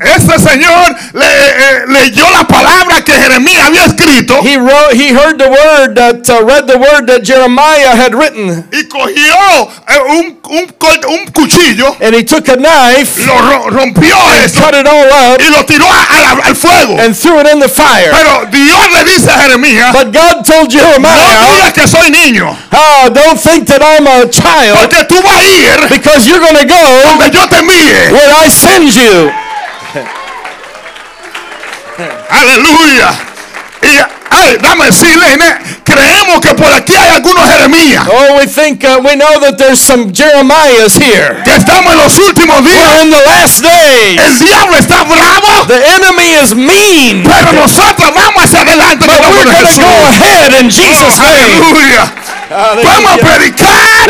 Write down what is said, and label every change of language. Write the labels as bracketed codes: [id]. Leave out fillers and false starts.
[es] Este señor leyó la palabra que Jeremías había escrito. [en] He heard the word that read the word that Jeremiah had written. [es] Y cogió un cuchillo. [en] And he took a knife. [es] Lo rompió [en] and [es] eso. [en] Cut it all up. [es] Y lo tiró al fuego. [en] And threw it in the fire. [es] Pero Dios le dice a Jeremías. [en] But God told Jeremiah. [es] No digas que soy niño. [en] Oh, don't think that I'm a child. [es] Porque tú vas a ir. [en] Because you're going to go [es] donde yo te mire. [en] Where I send you. [es] Aleluya. Y ay, dame decirle, creemos que por aquí hay algunos Jeremías. [en] Oh, we think we know that there's some Jeremiahs here. [es] Que estamos en los últimos días. [en] We're in the last days. [es] El diablo está bravo. [en] The enemy is mean. [es] Pero nosotros vamos hacia adelante. [en] But we're going to go ahead in Jesus' name. [es] Aleluya. Vamos a predicar.